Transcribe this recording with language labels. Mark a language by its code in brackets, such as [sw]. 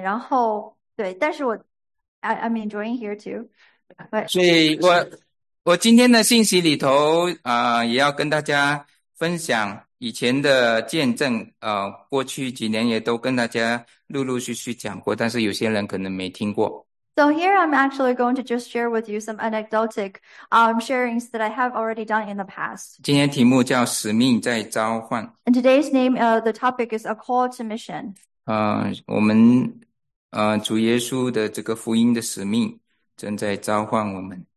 [zh] 然后对，但是我 [en] I'm enjoying here too. [zh] 所以我今天的信息里头也要跟大家分享以前的见证，过去几年也都跟大家陆陆续续讲过，但是有些人可能没听过。 [en] So here I'm actually going to just share with you some anecdotic sharings that I have already done in the past. [zh] 今天题目叫使命在召唤。 [en] And today's name, the topic is a call to mission. [zh] 我们主耶稣的这个福音的使命正在召唤我们。